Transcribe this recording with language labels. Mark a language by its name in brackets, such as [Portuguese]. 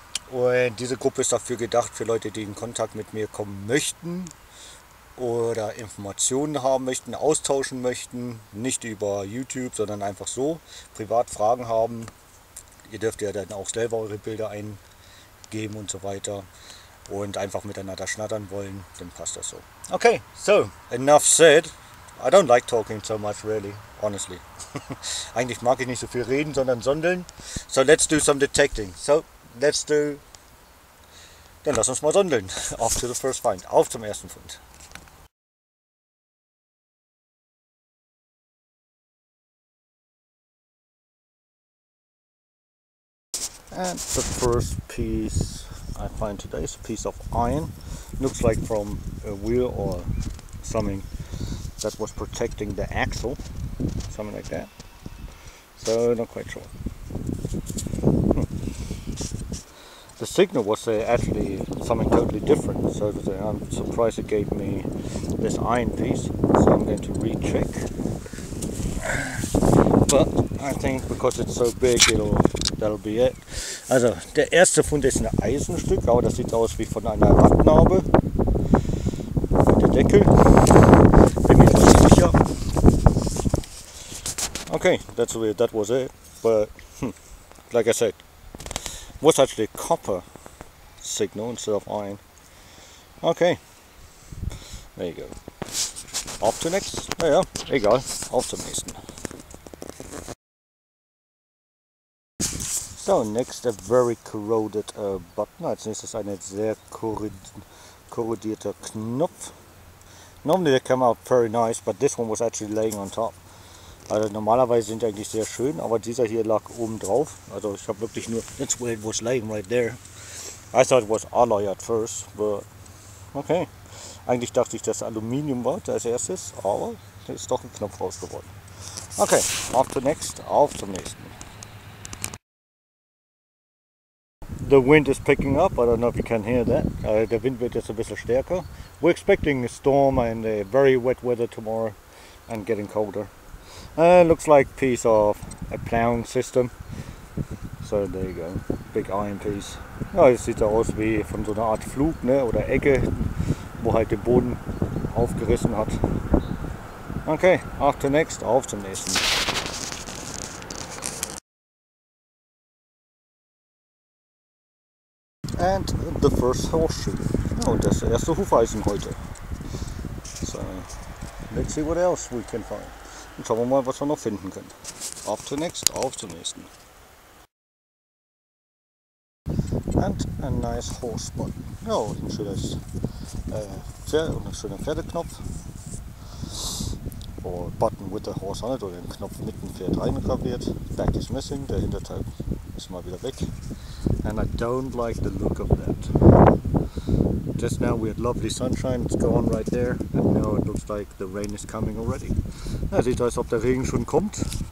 [German] Und diese Gruppe ist dafür gedacht, für Leute, die in Kontakt mit mir kommen möchten oder Informationen haben möchten, austauschen möchten, nicht über YouTube, sondern einfach so, privat Fragen haben. Ihr dürft ja dann auch selber eure Bilder eingeben und so weiter und einfach miteinander schnattern wollen, dann passt das so. [English] Okay, so, enough said. I don't like talking so much, really, honestly. [German] Eigentlich mag ich nicht so viel reden, sondern sondeln. [English] So, let's do some detecting. So, let's do... [German] Dann lass uns mal sondeln. [English] Off to the first find. [German] Auf zum ersten Fund. [English] And the first piece I find today is a piece of iron. Looks like from a wheel or something that was protecting the axle, something like that. So not quite sure. The signal was actually something totally different, so I'm surprised it gave me this iron piece. So I'm going to recheck. But I think because it's so big, that'll be it. [German] Also, der erste Fund ist ein Eisenstück, aber das sieht aus wie von einer Radnarbe. Der Deckel. Bin mir nicht sicher. [English] Okay, that's weird. That was it. But, like I said, was actually a copper signal instead of iron. Okay. There you go. [German] Auf zum nächsten. Naja, egal. Auf zum nächsten. [English] So, next a very corroded button. [German] Als nächstes eine sehr korrodierter Knopf. [English] Normally they come out very nice, but this one was actually laying on top. [German] Also normalerweise sind die eigentlich sehr schön, aber dieser hier lag oben drauf. Also ich habe wirklich nur, [English] that's where it was laying right there. I thought it was alloy at first, but okay. [German] Eigentlich dachte ich, dass Aluminium war als erstes, aber da ist doch ein Knopf raus geworden. Okay, auf zum nächsten. Auf zum nächsten. [English] The wind is picking up, I don't know if you can hear that. The wind [German] wird jetzt ein bisschen stärker. [English] We're expecting a storm and a very wet weather tomorrow and getting colder. Looks like piece of a plowing system. So there you go, big iron piece. [German] Ja, es sieht aus wie von so einer Art Flug, ne, oder Ecke, wo halt der Boden aufgerissen hat. Okay, [English] after next, [German] auf zum nächsten. [English] And the first horseshoe. [German] Oh, das ist der erste Hufeisen heute. [English] So, let's see what else we can find. [German] Und schauen wir mal, was wir noch finden können. Auf zum nächsten, auf zum nächsten. [English] And a nice horse button. [German] Ja, und ein schönes Pferd und ein schöner Pferdeknopf. [English] Or button with the horse on it, [German] oder den Knopf mit dem Pferd reingraviert. [English] Back is missing, [German] der Hinterteil ist mal wieder weg. [English] And I don't like the look of that. Just now we had lovely sunshine, it's gone right there, and now it looks like the rain is coming already. [German] Ja, sieht aus, ob der Regen schon kommt.